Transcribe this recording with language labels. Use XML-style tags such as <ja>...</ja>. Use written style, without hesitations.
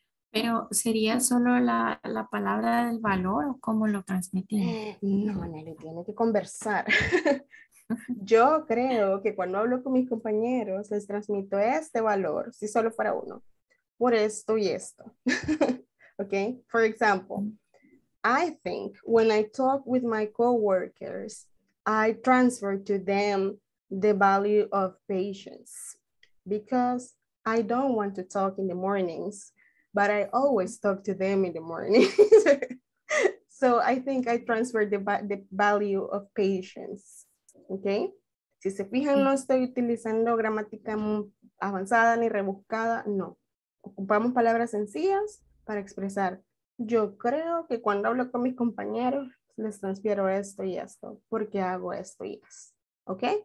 <es>¿Pero sería solo la palabra del valor o cómo lo transmitimos? No, Nelly, tiene que conversar. Yo creo que cuando hablo con mis compañeros, les transmito este valor, si solo fuera uno, por esto y esto.</es> <en>Ok, for example, I think when I talk with my coworkers, I transfer to them the value of patience because I don't want to talk in the mornings, but I always talk to them in the mornings. So I think I transfer the value of patience. Okay?</en> <es>Si se fijan, no estoy utilizando gramática avanzada ni rebuscada, no. Ocupamos palabras sencillas para expresar. Yo creo que cuando hablo con mis compañeros, les transfiero esto y esto, porque hago esto y esto. ¿Ok?</es>